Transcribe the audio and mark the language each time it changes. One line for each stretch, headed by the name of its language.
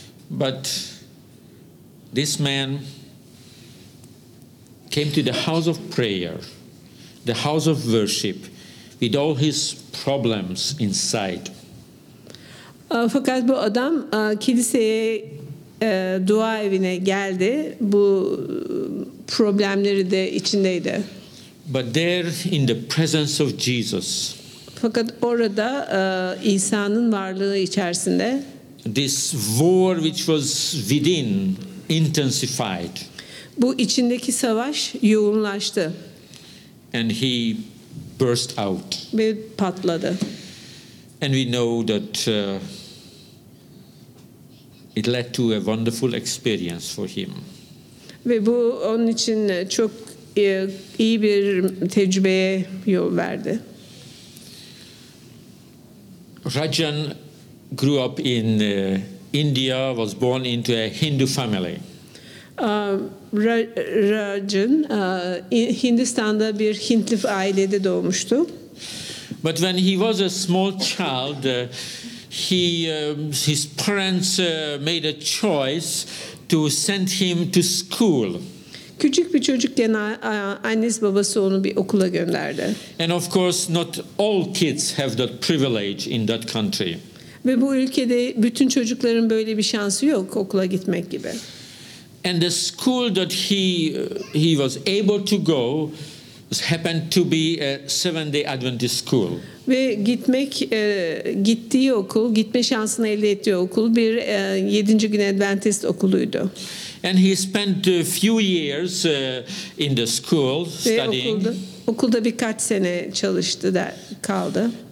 English: But this man came to the house of prayer, the house of worship, with all his problems inside.
Turkish: Fakat bu adam kiliseye, dua evine geldi. Bu problemleri de içindeydi.
English: But there in the presence of Jesus.
Turkish: Fakat orada İsa'nın varlığı içerisinde.
English: This war which was within intensified.
Turkish: Bu içindeki savaş yoğunlaştı.
English: And he burst out.
Turkish: Ve patladı.
English: And we know that it led to a wonderful experience for him.
Turkish: Ve bu onun için çok iyi bir tecrübeye yol verdi.
English: Rajan grew up in India, was born into a Hindu family.
Turkish: Rajan Hindistan'da bir Hintli ailede doğmuştu.
English: But when he was a small child, his parents made a choice to send him to school.
Turkish: Küçük bir çocukken annesi babası onu bir okula gönderdi.
English: And of course not all kids have that privilege in that country.
Turkish: Ve bu ülkede bütün çocukların böyle bir şansı yok okula gitmek gibi.
English: And the school that he was able to go was happened to be a Seventh-day Adventist school.
Turkish: Ve gitmek gittiği okul, gitme şansını elde ettiği okul bir 7. gün Adventist okuluydu.
English: And he spent a few years in the school studying.
Turkish: Okulda birkaç sene çalıştı da kaldı.